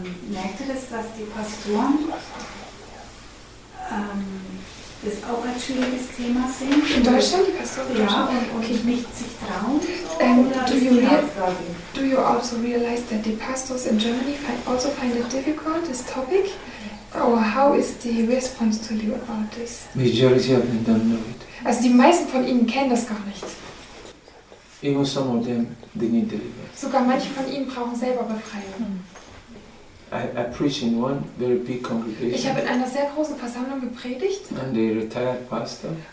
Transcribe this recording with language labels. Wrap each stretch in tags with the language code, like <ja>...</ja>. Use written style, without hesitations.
<de>Merkt er das, dass die Pastoren das auch ein schwieriges Thema sind? In Deutschland, die Pastoren? Ja, und nicht sich trauen?</de> <en>Do you also realize that the pastors in Germany also find it difficult, this topic? Or how is the response to you about this? Majority of them don't know it.</en> <de>Also die meisten von ihnen kennen das gar nicht.</de> <en>Even some of them, they need deliverance.</en> <de>Sogar manche von ihnen brauchen selber Befreiung.</de> <en>I preach in one very big congregation.</en> <de>Ich habe in einer sehr großen Versammlung gepredigt.</de> <en>And the retired pastor.</en>